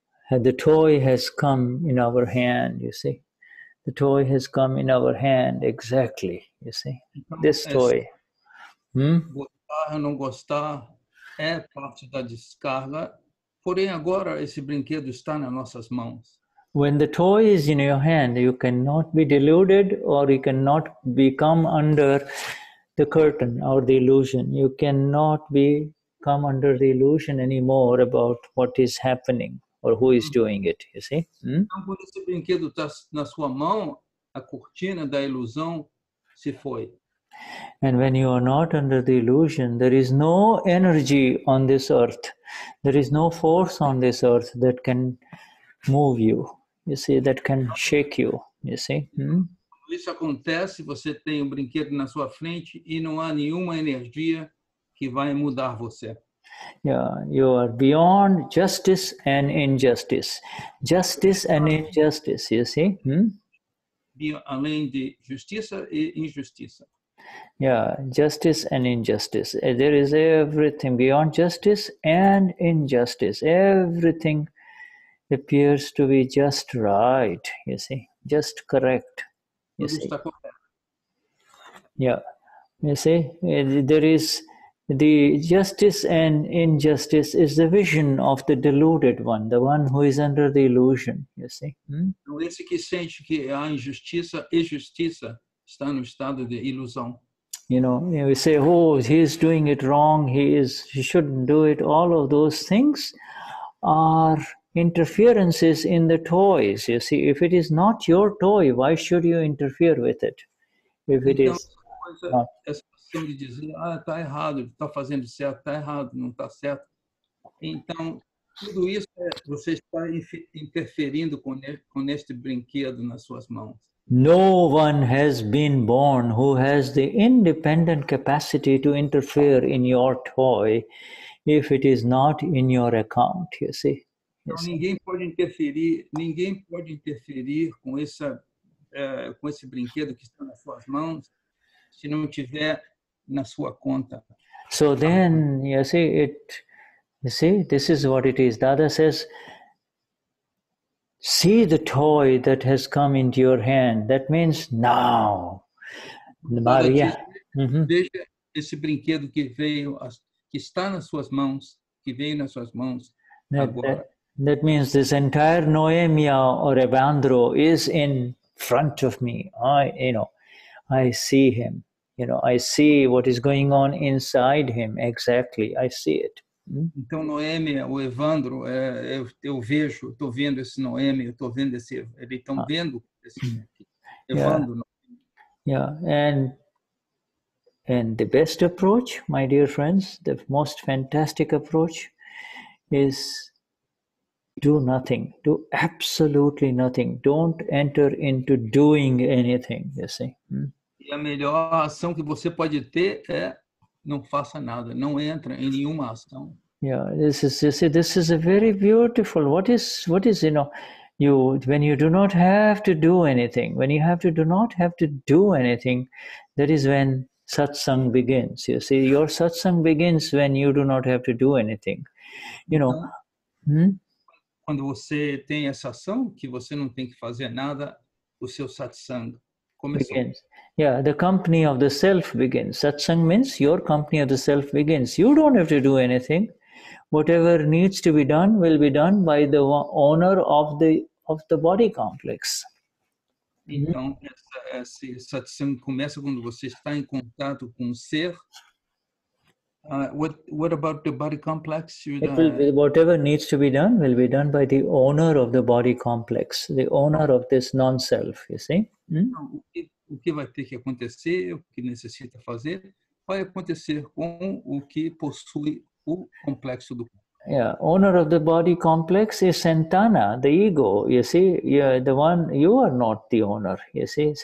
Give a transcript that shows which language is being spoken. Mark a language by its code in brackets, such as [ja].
[en] the toy has come in our hand, you see. The toy has come in our hand, exactly, you see. Então, this toy. [pt] Gostar ou não gostar é parte da descarga. Porém, agora esse brinquedo está nas nossas mãos. [en] When the toy is in your hand, you cannot be deluded or you cannot become under the curtain or the illusion. You cannot become under the illusion anymore about what is happening. Or who is doing it, you see? [pt] Então, quando esse brinquedo está na sua mão, a cortina da ilusão se foi. [en] And when you are not under the illusion, there is no energy on this earth. There is no force on this earth that can move you, you see, that can shake you, you see? [pt] Quando isso acontece, você tem um brinquedo na sua frente e não há nenhuma energia que vai mudar você. [en] Yeah, you are beyond justice and injustice. Justice and injustice, you see? [pt] Além de justiça e injustiça. [en] Yeah, justice and injustice. There is everything beyond justice and injustice. Everything appears to be just right, you see? Just correct, you see? Yeah, you see? There is... The justice and injustice is the vision of the deluded one, the one who is under the illusion, you see. [pt] Então, esse que sente que a injustiça e justiça está no estado de ilusão. [en] You know, we say, oh, he is doing it wrong, he shouldn't do it. All of those things are interferences in the toys, you see. If it is not your toy, why should you interfere with it? If it [pt] então, [en] is not. [pt] De dizer, ah, está errado, está fazendo certo, está errado, não está certo. Então, tudo isso é você está interferindo com este brinquedo nas suas mãos. [en] No one has been born who has the independent capacity to interfere in your toy if it is not in your account, you see. [pt] Então, ninguém pode interferir com esse brinquedo que está nas suas mãos se não tiver na sua conta. [en] So then, you see, this is what it is. Dada says, see the toy that has come into your hand. That means now. Maria. [pt] Veja esse brinquedo que veio, que está nas suas mãos, que veio nas suas mãos agora. [en] That means this entire Noemia or Evandro is in front of me. I see him. You know, I see what is going on inside him. Exactly, I see it. [pt] Então, Noêmia, o Evandro, eu vejo, estou vendo esse Noêmia, estou vendo esse, eles estão vendo esse Evandro. [en] And the best approach, my dear friends, the most fantastic approach is do nothing, do absolutely nothing. Don't enter into doing anything, you see. [pt] E a melhor ação que você pode ter é não faça nada, não entra em nenhuma ação. [en] Yeah, this is, you see, this is a very beautiful. What is, you know, you when you do not have to do anything, when you have to do not have to do anything, that is when satsang begins. You see, your satsang begins when you do not have to do anything. You know, [pt] quando você tem essa ação que você não tem que fazer nada, o seu satsang começou. [en] Yeah, the company of the self begins. Satsang means your company of the self begins. You don't have to do anything. Whatever needs to be done will be done by the owner of the body complex. [pt] Então, esse satsang começa quando você está em contato com o ser [en] What about the body complex? Whatever needs to be done will be done by the owner of the body complex, the owner of this non-self, you see? [pt] O que vai ter que acontecer, o que necessita fazer, vai acontecer com o que possui o complexo do corpo. [en] Yeah, owner of the body complex is Santana, the ego, you see? You're the one, you are not the owner, you see?